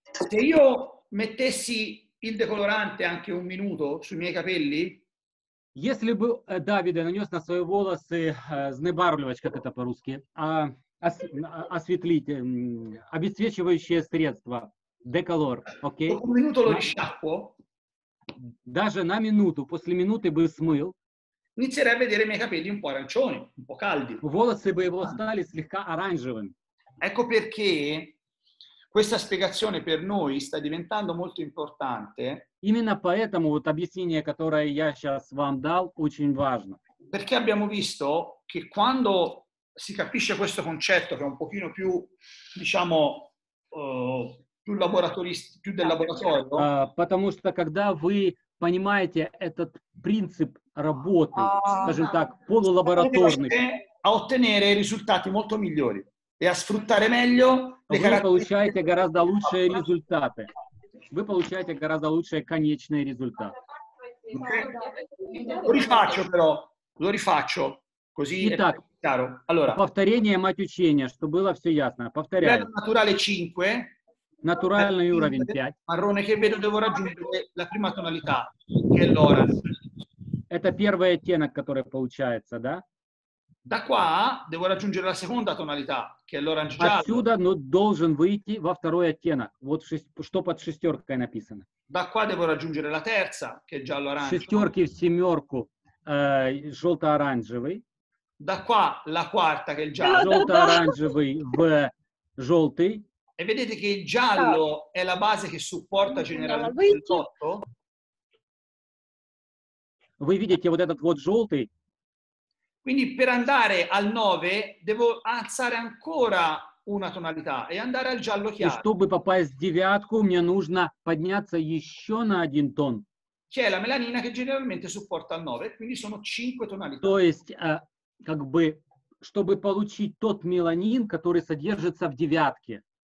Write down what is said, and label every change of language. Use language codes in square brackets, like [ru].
[it] Se io mettessi il decolorante anche un minuto sui miei capelli, [ru] Если бы Давида нанес на свои волосы знебарвливач, как это по-русски, осветлитель, обесцвечивающее средство, деколор, окей? Okay? Даже на минуту, после минуты бы смыл. [it] Inizierei a vedere i miei capelli un po' arancioni, un po' caldi. [ru] Волосы бы его стали слегка оранжевым. [it] Ecco perché questa spiegazione per noi sta diventando molto importante. [ru] Именно поэтому вот объяснение, которое я сейчас вам дал, очень важно. [it] Perché abbiamo visto che quando si capisce questo concetto, che è un pochino più, diciamo, più laboratorista, più del laboratorio. [ru] Потому что когда вы понимаете этот принцип работы, скажем так, полулабораторный, [it] a ottenere risultati molto migliori. E a sfruttare meglio le caratteristiche. [ru] Вы получаете гораздо лучшие конечные результаты. [it] Lo rifaccio però, lo rifaccio, così è chiaro. Allora, [ru] повторение мать учения, чтобы было все ясно. Повторяю. [it] Naturale 5. [ru] Натуральный уровень 5. [it] Marrone che vedo devo raggiungere la prima tonalità, che è l'ora. [ru] Это первый оттенок, который получается, да? [it] Da qua devo raggiungere la seconda tonalità, che è l'orange giallo. [ru] Отсюда, но должен выйти во второй оттенок. Вот что под шестеркой написано. [it] Da qua devo raggiungere la terza, che è giallo-оранжевый. [ru] Шестерки в семерку, желто-оранжевый. [it] Da qua la quarta, che è giallo. [ru] Желто-оранжевый в желтый. [it] E vedete che il giallo è la base che supporta generalmente il rosso. [ru] Вы видите вот этот вот желтый. [it] Quindi per andare al 9 devo alzare ancora una tonalità e andare al giallo chiaro. [ru] E чтобы попасть в девятку, мне нужно подняться еще на один тон. [it] Che è la меланина che generalmente supporta al 9, quindi sono 5 тонalità. [ru] То есть, как бы, чтобы получить тот меланин, который содержится в девятке.